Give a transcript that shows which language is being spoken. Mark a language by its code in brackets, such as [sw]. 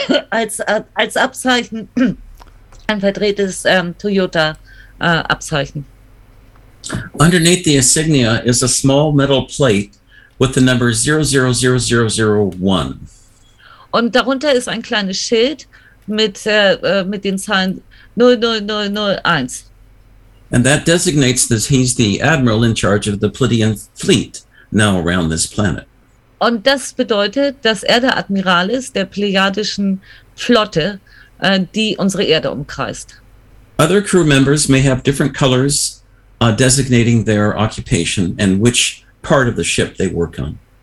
[de] Als Abzeichen, ein verdrehtes Toyota Abzeichen. [en] Underneath the insignia is a small metal plate with the number 000001. [de] Und darunter ist ein kleines Schild mit den Zahlen 00001. [en] And that designates that he's the admiral in charge of the Pleiadian fleet now around this planet. [de] Und das bedeutet, dass der Admiral ist der pleiadischen Flotte, die unsere Erde umkreist. [en] Other crew members may have different colors designating their occupation and which part of the ship they work on.